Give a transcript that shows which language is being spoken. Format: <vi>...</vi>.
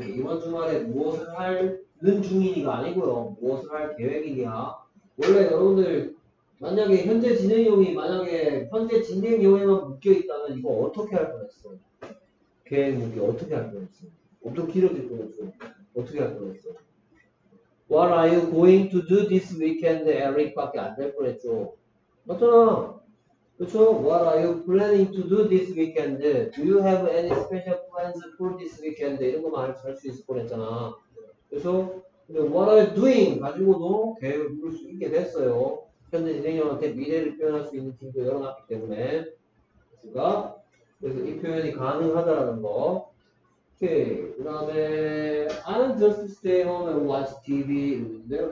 <ko>이번 주말에 무엇을 하는 중이니가 아니고요. 무엇을 할 계획이냐? 원래 여러분들 만약에 현재 진행형이 만약에 현재 진행형에만 묶여 있다면 이거 어떻게 할 뻔했어? 계획 묶여 어떻게 할 뻔했어? 엄청 길어질 뻔했어. 어떻게 할 뻔했어?</ko> <en>What are you going to do this weekend, Eric?</en> <ko>밖에 안 될 뻔했죠. 맞잖아. 그쵸?</ko> <en>What are you planning to do this weekend? Do you have any special plans for this weekend?</en> <ko>이런 것만 할 수 있을 뻔했잖아. 그쵸?</ko> <en>What are you doing?</en> <ko>가지고도 계획을 부를 수 있게 됐어요. 현재 진행형한테 미래를 표현할 수 있는 힘도 열어놨기 때문에. 그니까? 그래서 이 표현이 가능하다라는 거. 오케이. 그 다음에,</ko> <en>I'm just stay home and watch TV.</en> <ko>인데요.</ko>